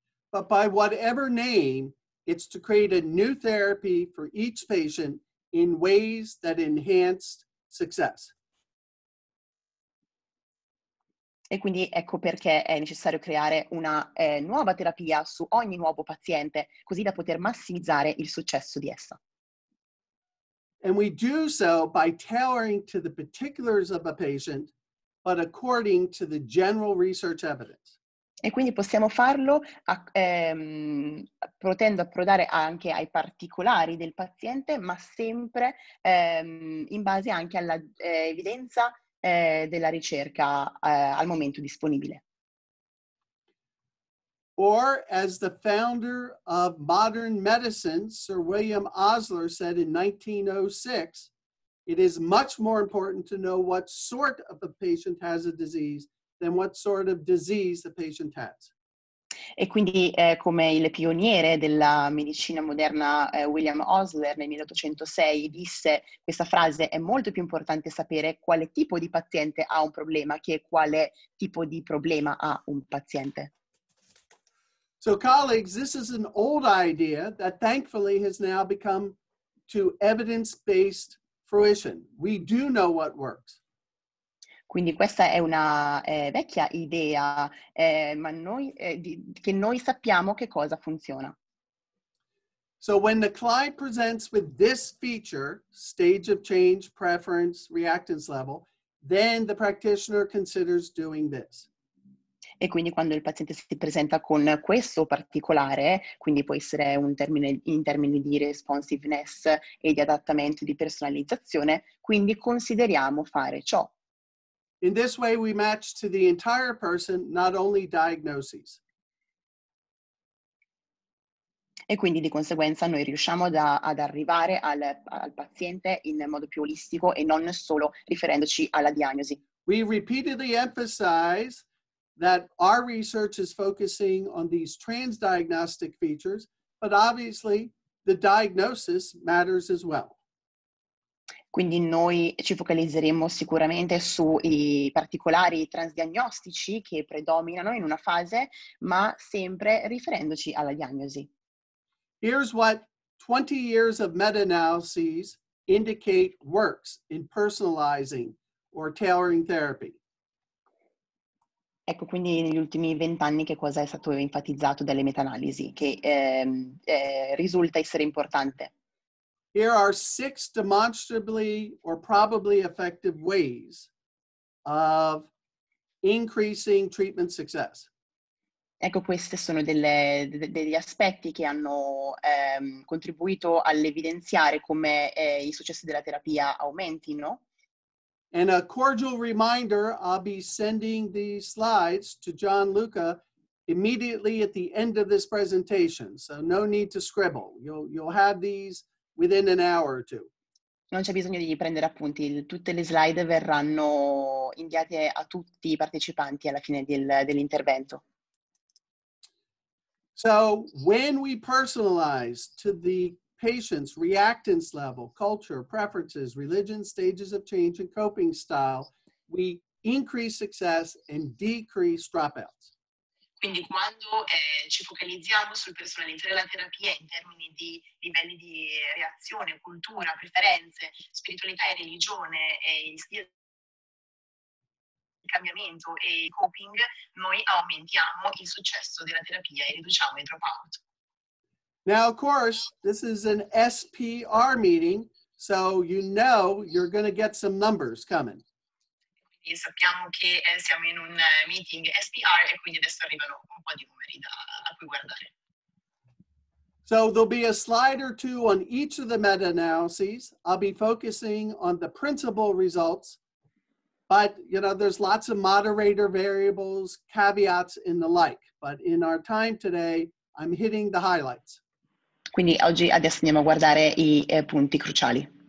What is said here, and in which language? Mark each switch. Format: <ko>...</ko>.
<en>But by whatever name, it's to create a new therapy for each patient in ways that enhance success.</en> <it>E quindi ecco perché è necessario creare una nuova terapia su ogni nuovo paziente, così da poter massimizzare il successo di essa.</it> <en>And we do so by tailoring to the particulars of a patient, but according to the general research evidence.</en> <it>E quindi possiamo farlo potendo approdare anche ai particolari del paziente, ma sempre in base anche alla evidenza della ricerca al momento disponibile.</it> <en>Or, as the founder of modern medicine, Sir William Osler, said in 1906, it is much more important to know what sort of a patient has a disease than what sort of disease the patient has.</en> <it>E quindi, come il pioniere della medicina moderna, William Osler, nel 1806, disse questa frase: è molto più importante sapere quale tipo di paziente ha un problema che quale tipo di problema ha un paziente.</it> <en>So, colleagues, this is an old idea that thankfully has now become to evidence-based fruition. We do know what works.</en> <it>Quindi questa è una vecchia idea, ma noi che noi sappiamo che cosa funziona.</it> <en>So when the client presents with this feature, stage of change, preference, reactance level, then the practitioner considers doing this.</en> <it>E quindi quando il paziente si presenta con questo particolare, quindi può essere un termine in termini di responsiveness e di adattamento, di personalizzazione, quindi consideriamo fare ciò.</it> <en>In this way we match to the entire person, not only diagnoses.</en> <it>E quindi di conseguenza noi riusciamo ad arrivare al paziente in modo più olistico e non solo riferendoci alla diagnosi.</it> <en>We repeatedly emphasize that our research is focusing on these transdiagnostic features, but obviously the diagnosis matters as well.</en> <it>Quindi noi ci focalizzeremo sicuramente sui particolari transdiagnostici che predominano in una fase, ma sempre riferendoci alla diagnosi.</it> <en>Here's what 20 years of meta-analyses indicate works in personalizing or tailoring therapy.</en> <it>Ecco, quindi negli ultimi 20 anni che cosa è stato enfatizzato dalle meta-analisi che risulta essere importante?</it> <en>Here are six demonstrably or probably effective ways of increasing treatment success.</en> <it>Ecco, queste sono degli aspetti che hanno contribuito all'evidenziare come i successi della terapia aumentino.</it> <en>And a cordial reminder, I'll be sending these slides to Gianluca immediately at the end of this presentation. So no need to scribble. You'll have these within an hour or two.</en> <it>Non c'è bisogno di prendere appunti, tutte le slide verranno inviate a tutti i partecipanti alla fine dell'intervento.</it> <en>So, when we personalize to the patient's reactance level, culture, preferences, religion, stages of change and coping style, we increase success and decrease dropouts.</en> <it>Quindi quando ci focalizziamo sul personalizzare la terapia in termini di livelli di reazione, cultura, preferenze, spiritualità e religione, e il cambiamento e il coping, noi aumentiamo il successo della terapia e riduciamo i dropout.</it> <en>Now, of course, this is an SPR meeting, so you know you're going to get some numbers coming.</en> <it>E sappiamo che siamo in un meeting SPR e quindi adesso arrivano un po' di numeri a cui guardare.</it> <en>So there'll be a slide or two on each of the meta-analyses. I'll be focusing on the principal results, but you know there's lots of moderator variables, caveats and the like, but in our time today I'm hitting the highlights.</en> <it>Quindi oggi adesso andiamo a guardare i punti cruciali.</it>